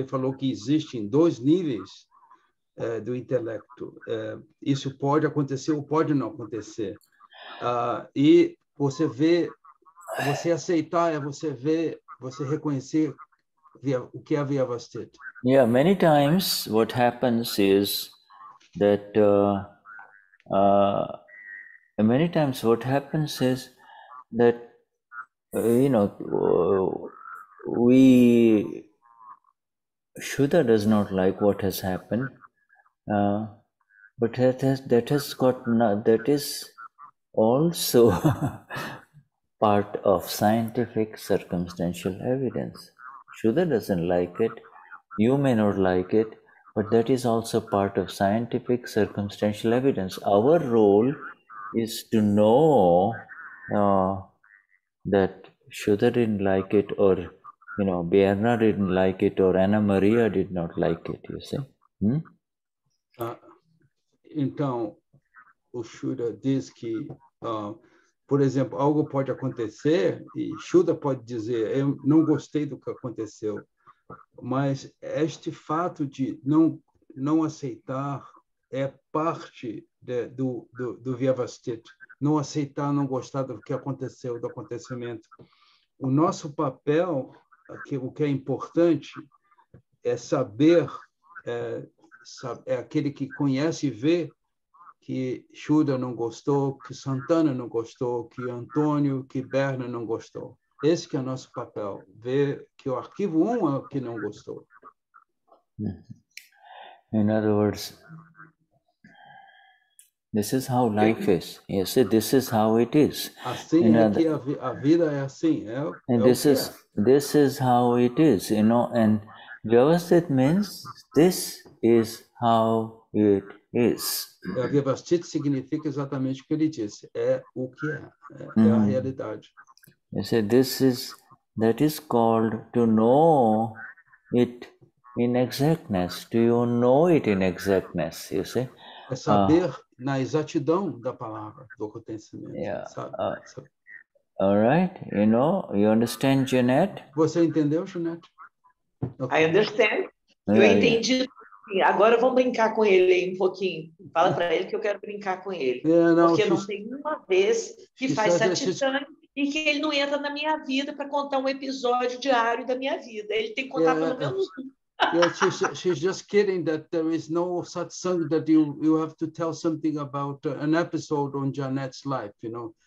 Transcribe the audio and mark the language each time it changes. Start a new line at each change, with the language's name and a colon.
Portuguese: Ele falou que existem dois níveis do intelecto. Isso pode acontecer ou pode não acontecer. E você vê, você aceitar é você ver, você reconhecer o que é Vyavasthit.
English: Yeah, many times what happens is that we Shuddha does not like what has happened, but that is also part of scientific circumstantial evidence. Shuddha doesn't like it. You may not like it, But that is also part of scientific circumstantial evidence. Our role is to know that Shuddha didn't like it, or, you know, Bierna didn't like it, or Anna Maria did not like it, you see.
Portuguese: Então, o Shuddha diz que, por exemplo, algo pode acontecer, e Shuddha pode dizer, eu não gostei do que aconteceu, mas este fato de não aceitar é parte do Vyavasthit, não aceitar, não gostar do que aconteceu, do acontecimento. O nosso papel, o que é importante, é saber, é aquele que conhece e vê que Shuddha não gostou, que Santana não gostou, que Antônio, que Berna não gostou. Esse que é o nosso papel, ver que o arquivo 1 é o que não gostou.
English: In other words, this is how life is. You see, this is how it is.
Portuguese: Assim é que a vida é assim.
English: This is how it is, you know, and Vyavasthit means this is how it is.
Portuguese: Vyavasthit significa exatamente o que ele disse. É o que é. É a realidade.
English: You see, that is called to know it in exactness. Do you know it in exactness? You see?
Portuguese: É saber na exatidão da palavra, do acontecimento.
English: Yeah.
Portuguese: Sabe?
English: All right. You know, you understand, Jeanette?
Portuguese: Você entendeu, Jeanette?
English: Okay. I understand. Yeah,
Portuguese: eu entendi.
English: Yeah.
Portuguese: Agora eu vou brincar com ele aí um pouquinho. Fala para ele que eu quero brincar com ele. Yeah, não, porque não tem uma vez que faz satisfação e que ele não entra na minha vida para contar um episódio diário da minha vida. Ele tem que contar pelo menos um.
English: Yeah, she's just kidding that there is no satsang that you have to tell something about an episode on Jeanette's life, you know.